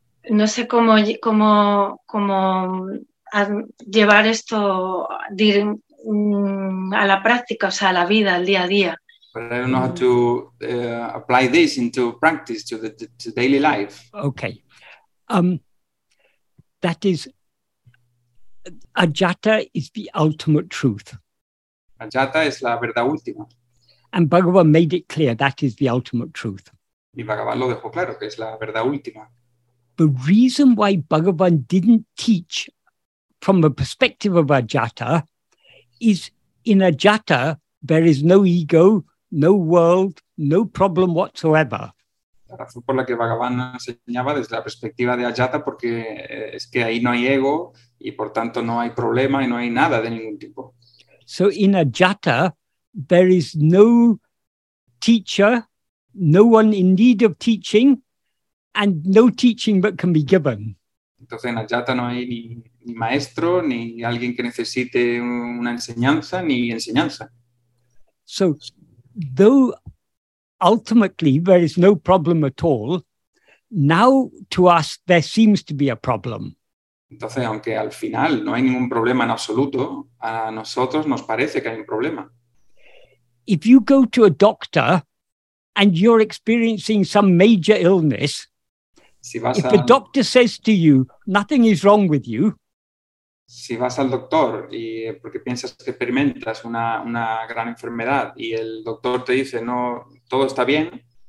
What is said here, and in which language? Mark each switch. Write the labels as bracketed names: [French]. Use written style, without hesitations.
[Spanish] No sé cómo llevar esto a la práctica, o sea, a la vida, al día a día. [English] But I don't know how to apply this into practice, to the daily life. Okay. That is, Ajata is the ultimate truth. [Spanish] Ajata es la verdad última. [English] And Bhagavan made it clear that is the ultimate truth. [Spanish] Y Bhagavan lo dejó claro, que es la verdad última. [English] The reason why Bhagavan didn't teach from the perspective of Ajata is in Ajata there is no ego, no world, no problem whatsoever. [Spanish] La razón por la que Bhagavan enseñaba desde la perspectiva de Ajata porque es que ahí no hay ego y por tanto no hay problema y no hay nada de ningún tipo. [English] So in Ajata there is no teacher, no one in need of teaching, and no teaching that can be given. [Spanish] Entonces en Ajata no hay ni maestro, ni alguien que necesite una enseñanza, ni enseñanza. [English] So, though ultimately there is no problem at all, now to us there seems to be a problem. [Spanish] Entonces, aunque al final no hay ningún problema en absoluto, a nosotros nos parece que hay un problema. [English] If you go to a doctor and you're experiencing some major illness, if the doctor says to you, nothing is wrong with you, [Spanish] si vas al doctor y porque piensas que experimentas una gran enfermedad y el doctor te dice no, todo está bien,